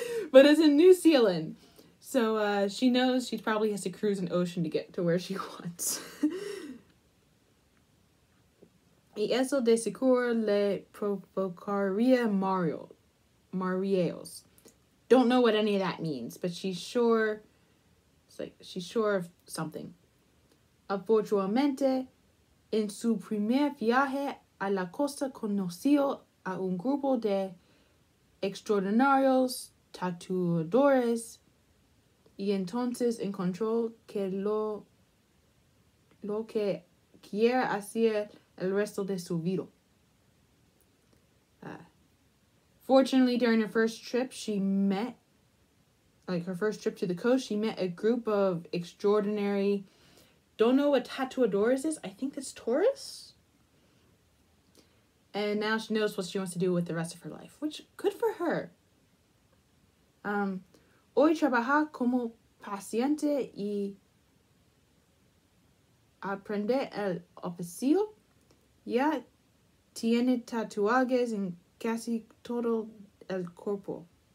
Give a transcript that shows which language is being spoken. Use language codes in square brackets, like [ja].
[en] But it's in New Zealand. So she knows she probably has to cruise an ocean to get to where she wants. [es] Y eso de seguro le provocaría mareos. [en] Don't know what any of that means, but she's sure of something. [es] Afortunadamente, en su primer viaje a la costa conoció a un grupo de extraordinarios tatuadores y entonces encontró que lo que quiere hacer el resto de su vida. [en] Fortunately, during her first trip, she met a group of extraordinary, don't know what tatuadores is, I think it's tourists? And now she knows what she wants to do with the rest of her life, which good for her. [es] Hoy trabaja como paciente y aprende el oficio. Ya tiene tatuajes en casi todo el cuerpo.